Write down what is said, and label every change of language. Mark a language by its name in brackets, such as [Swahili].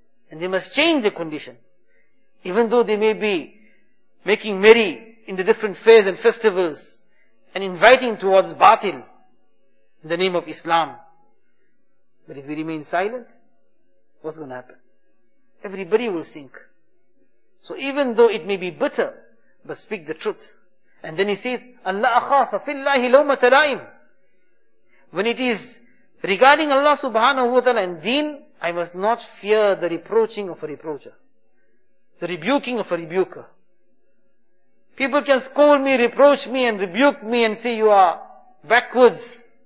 [English] And they must change the condition. Even though they may be making merry in the different fairs and festivals and inviting towards batil in the name of Islam. But if we remain silent, what's going to happen? Everybody will sink. So even though it may be bitter, but speak the truth. And then he says, [Arabic] أَلَّا أَخَافَ فِي اللَّهِ لَوْمَةَ لَائِمٍ. [English] When it is regarding Allah subhanahu wa ta'ala and deen, I must not fear the reproaching of a reproacher. The rebuking of a rebuker. People can scold me, reproach me and rebuke me and say you are backwards.